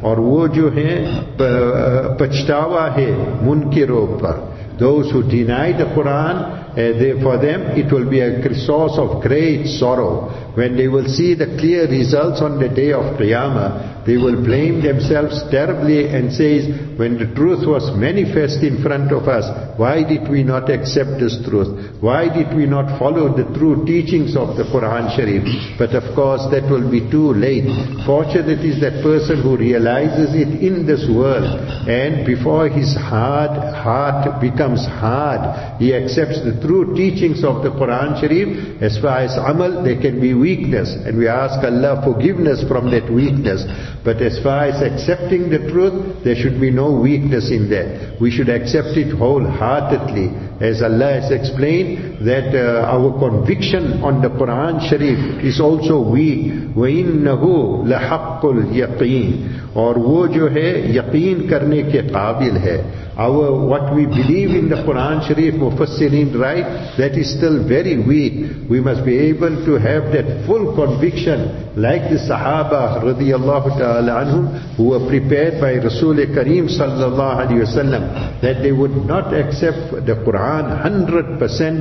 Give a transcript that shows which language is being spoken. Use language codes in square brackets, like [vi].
[ur] اور وہ جو ہیں پچھتاوا ہے منکروں پر. [en] Those who deny the Quran For them, it will be a source of great sorrow. When they will see the clear results on the day of Qiyamah, they will blame themselves terribly and say, when the truth was manifest in front of us, why did we not accept this truth? Why did we not follow the true teachings of the Quran Sharif? But of course, that will be too late. Fortunate is that person who realizes it in this world, and before his heart becomes hard, he accepts the true teachings of the Quran Sharif. As far as amal, there can be weakness, and we ask Allah forgiveness from that weakness. But as far as accepting the truth, there should be no weakness in that. We should accept it wholeheartedly. As Allah has explained, that our conviction on the Quran Sharif is also weak. [ar] وَإِنَّهُ لَحَقُّ الْيَقِينِ [ur] اور وہ جو ہے یقین کرنے کے قابل ہے. [en] Our what we believe in the Quran Sharif, Mufassirin write, that is still very weak. We must be able to have that full conviction, like the Sahaba radiallahu ta'ala anhum, who were prepared by Rasul Kareem sallallahu alayhi wasallam, that they would not accept the Quran 100%.